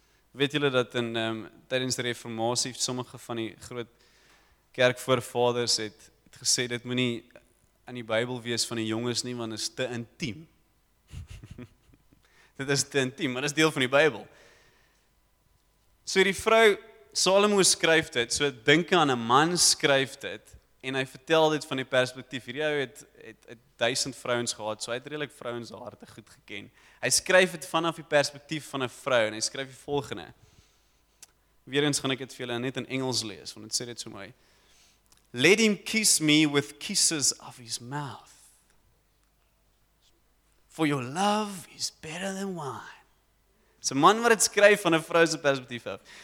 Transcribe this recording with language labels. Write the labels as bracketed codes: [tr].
[af] Weet julle dat in tydens die reformatie sommige van die groot kerkvoorvaders het gesê dit moenie in die Bybel wees van die jonges nie, want is te intiem. Dit is te intiem, maar dit is deel van die Bybel. So die vrou Salomo skryf dit, so dink aan 'n man skryf dit, en hy vertel dit van die perspektief. Hierdie ou het 1000 vrouens gehad, so hy het redelik vrouens harte goed geken. Hy skryf het vanaf die perspektief van 'n vrou, en hy skryf die volgende. Weerens gaan ek het vir julle net in Engels lees, want het sê dit so mooi. [en] Let him kiss me with kisses of his mouth. For your love is better than wine. [af] So man wat het skryf van 'n vrou se perspektief af.